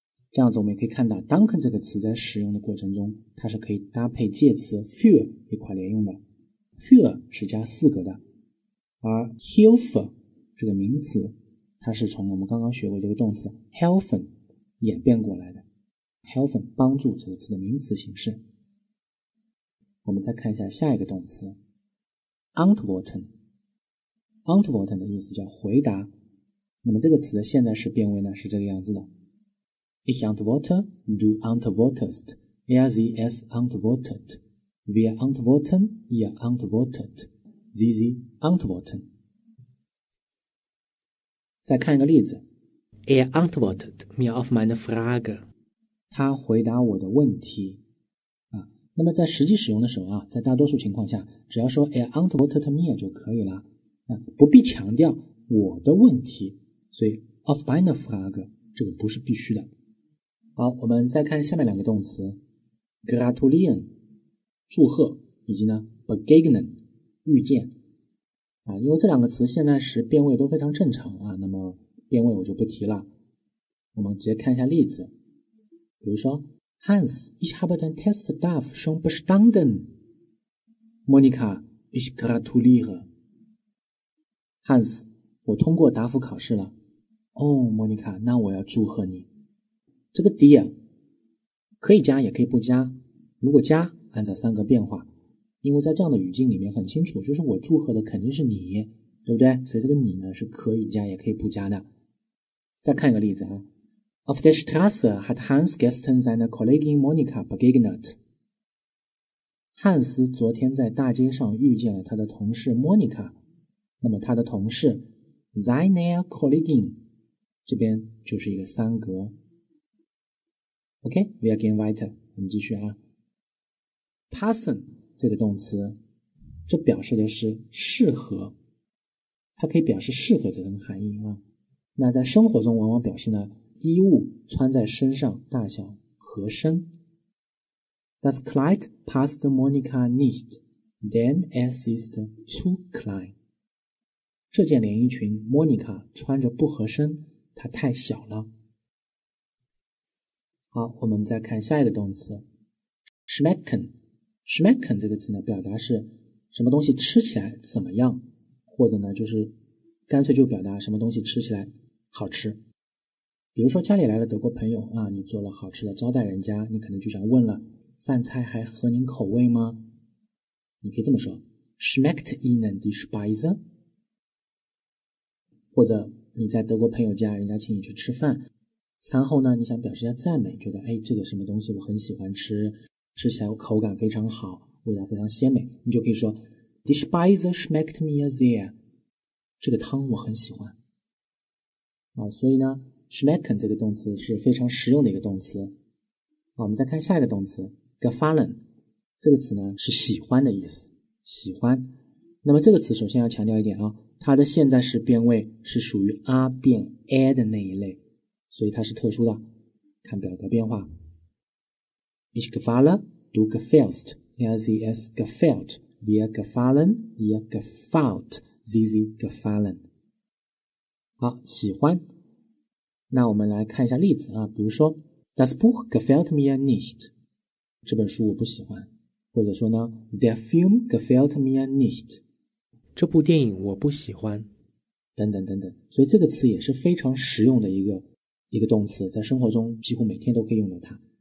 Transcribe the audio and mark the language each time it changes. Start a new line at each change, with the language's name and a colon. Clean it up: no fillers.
Chinese: 这样子我们也可以看到 Danken 这个词在使用的过程中它是可以搭配介词 für 一块连用的， für 是加四格的，而 Hilfe 这个名词它是从我们刚刚学过这个动词 helfen 演变过来的， helfen 帮助这个词的名词形式。我们再看一下下一个动词 antworten。 antworten 的意思叫回答，那么这个词的现在式变位呢是这个样子的，
German: ich antworte, du antwortest, er sie es antwortet, wir antworten, ihr antwortet, sie sie antworten。
Chinese: 再看一个例子，
German: Er antwortet mir auf meine Frage，
Chinese: 他回答我的问题啊。那么在实际使用的时候啊，在大多数情况下只要说
German: Er antwortet mir
Chinese: 就可以了啊，不必强调我的问题，所以
German: auf meine Frage
Chinese: 这个不是必须的。好，我们再看下面两个动词 gratulieren 祝贺，以及呢 begegnen 遇见啊，因为这两个词现在时变位都非常正常啊，那么变位我就不提了。我们直接看一下例子，比如说
German: Hans, ich habe den Test darf schon bestanden。 Monika, ich gratuliere.
Chinese: Hans, 我通过答复考试了。哦，莫妮卡，那我要祝贺你。这个 dear 可以加也可以不加，如果加按照三个变化，因为在这样的语境里面很清楚，就是我祝贺的肯定是你，对不对？所以这个你呢是可以加也可以不加的。再看一个例子啊。
German: Auf der Straße hat Hans gestern seine Kollegin Monika begegnet.
Chinese: Hans 昨天在大街上遇见了他的同事 Monika。那么他的同事 seine Kollegin 这边就是一个三格。
English: OK, we are getting weiter,
Chinese: 我们继续啊。 Passen 这个动词，这表示的是适合，它可以表示适合这层含义啊。那在生活中往往表示呢衣物穿在身上大小合身。
German: Das Kleid passt Monika nicht, denn es ist zu klein.
Chinese: 这件连衣裙 Monika 穿着不合身，它太小了。好，我们再看下一个动词 ,schmecken。 schmecken 这个词呢表达是什么东西吃起来怎么样，或者呢就是干脆就表达什么东西吃起来好吃。比如说家里来了德国朋友啊，你做了好吃的招待人家，你可能就想问了，饭菜还合您口味吗？你可以这么说 ,
German: schmeckt Ihnen die Speise?
Chinese: 或者你在德国朋友家，人家请你去吃饭，餐后呢你想表示一下赞美，觉得哎这个什么东西我很喜欢吃，吃起来口感非常好，味道非常鲜美，你就可以说 ,
German: die Speise schmeckt mir sehr,
Chinese: 这个汤我很喜欢。啊，所以呢Schmecken 这个动词是非常实用的一个动词。好，我们再看下一个动词 ,gefallen, 这个词呢是喜欢的意思，喜欢。那么这个词首先要强调一点啊，它的现在时变位是属于 a 变 a 的那一类，所以它是特殊的。看表格变化。
German: Ich gefalle, du gefällst, er, sie, es gefällt, wir gefallen, ihr gefällt, sie, sie gefallen.
Chinese: 好，喜欢。那我们来看一下例子啊，比如说
German: Das Buch gefällt mir nicht,
Chinese: 这本书我不喜欢，或者说呢
German: Der Film gefällt mir nicht,
Chinese: 这部电影我不喜欢，等等等等。所以这个词也是非常实用的一个动词，在生活中几乎每天都可以用到它。